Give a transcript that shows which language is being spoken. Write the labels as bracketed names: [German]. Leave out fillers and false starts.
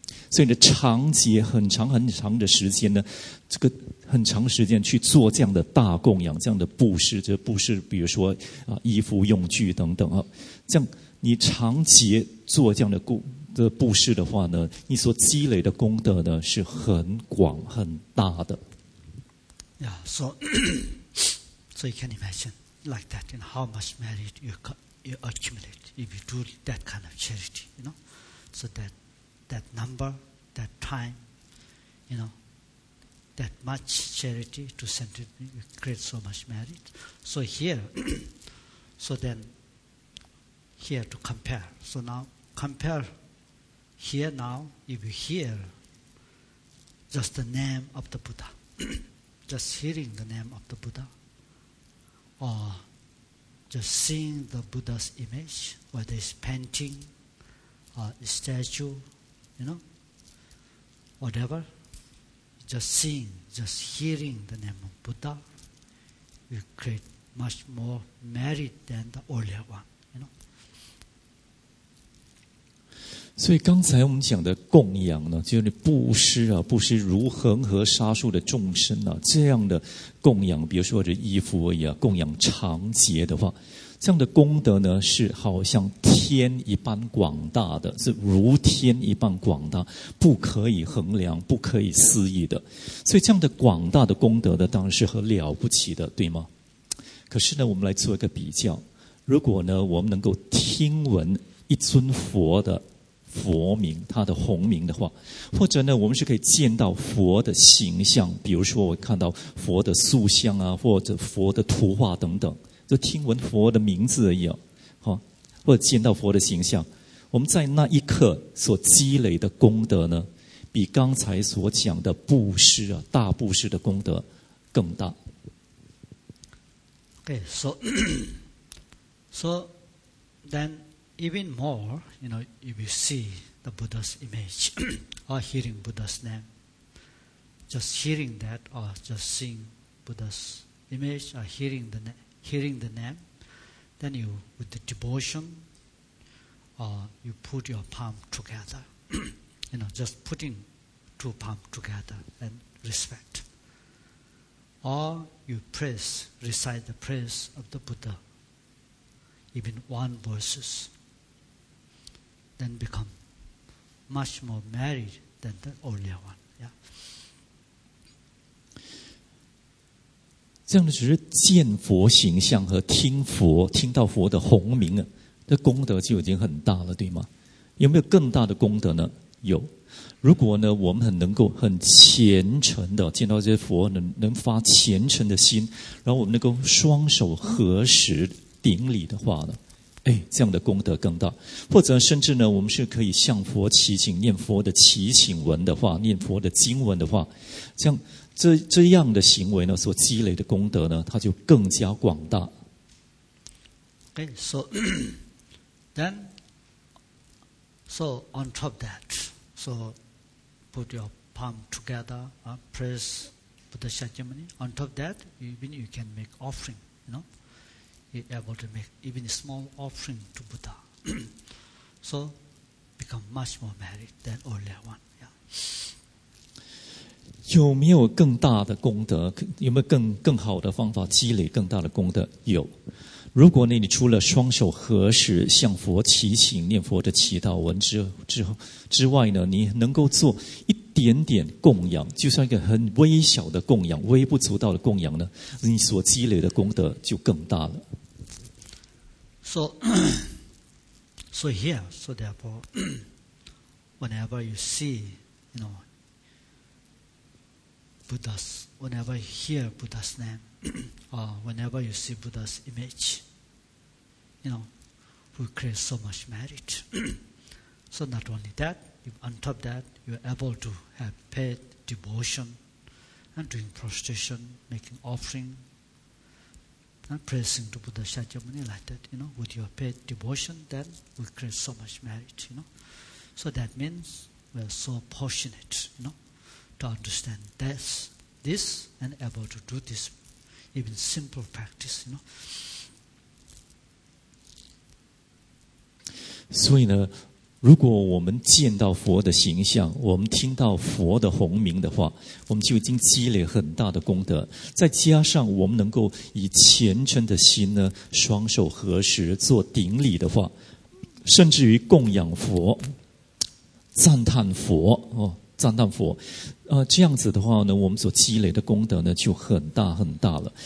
[Chinese] 所以你的长劫很长很长的时间呢，这个很长时间去做这样的大供养，这样的布施，这布施比如说衣服用具等等啊，这样你长劫做这样的布施的话呢，你所积累的功德呢是很广很大的。 [English] Yeah, so so you can imagine like that, and how much merit you accumulate if you do that kind of charity, you know, so that number, that time, you know, that much charity to sentient beings create so much merit. So here, so then here to compare. So now compare here now, if you hear just the name of the Buddha, just hearing the name of the Buddha, or just seeing the Buddha's image, whether it's painting, statue, you know, whatever, just seeing, just hearing the name of Buddha will create much more merit than the earlier one, you know. [Chinese] 所以刚才我们讲的供养呢，就是布施啊，布施如恒河沙数的众生啊，这样的供养，比如说这衣服而已啊，供养长劫的话，这样的功德呢是好像天一般广大的，是如天一般广大，不可以衡量，不可以思议的。所以这样的广大的功德呢，当然是很了不起的，对吗？可是呢，我们来做一个比较，如果呢我们能够听闻一尊佛的佛名，他的弘名的话，或者呢我们是可以见到佛的形象，比如说我看到佛的塑像啊，或者佛的图画等等，就听闻佛的名字而已，或者见到佛的形象，我们在那一刻所积累的功德呢，比刚才所讲的布施啊，大布施的功德更大。 [English] Okay, so so then even more, you know, if you see the Buddha's image or hearing Buddha's name, just hearing that or just seeing Buddha's image or hearing the name, then you, with the devotion, you put your palm together. You know, just putting two palms together and respect. or you praise, recite the praise of the Buddha, even one verses, then become much more married than the earlier one. Yeah. [Chinese] 这样的只是见佛形象和听佛，听到佛的洪名啊，这功德就已经很大了，对吗？有没有更大的功德呢？有。如果呢，我们很能够很虔诚的见到这些佛，能发虔诚的心，然后我们能够双手合十顶礼的话呢，哎，这样的功德更大。或者甚至呢，我们是可以向佛祈请，念佛的祈请文的话，念佛的经文的话，像这样的行为呢，所积累的功德呢，它就更加广大。 [English] Okay, so then, so on top of that. So put your palm together, praise Buddha Shakyamuni. On top of that, even you can make offering, you know. You're able to make even a small offering to Buddha. So become much more merit than earlier one. Yeah. [Chinese] 有没有更大的功德？有没有更好的方法积累更大的功德？有。如果呢，你除了双手合十向佛祈请、念佛的祈祷文之外呢，你能够做一点点供养，就算一个很微小的供养、微不足道的供养呢，你所积累的功德就更大了。 [English] So here, so therefore, whenever you see, you know, Buddha's, whenever you hear Buddha's name, or whenever you see Buddha's image. You know, we create so much merit. So not only that, on top of that, you're able to have paid devotion and doing prostration, making offering, and praising to Buddha Shakyamuni like that. You know, with your paid devotion, then we create so much merit, you know. So that means we're so fortunate, you know, to understand this and able to do this, even simple practice, you know. [Chinese] 所以呢，如果我们见到佛的形象，我们听到佛的洪名的话，我们就已经积累很大的功德。再加上我们能够以虔诚的心呢，双手合十做顶礼的话，甚至于供养佛、赞叹佛哦，赞叹佛，这样子的话呢，我们所积累的功德呢就很大很大了。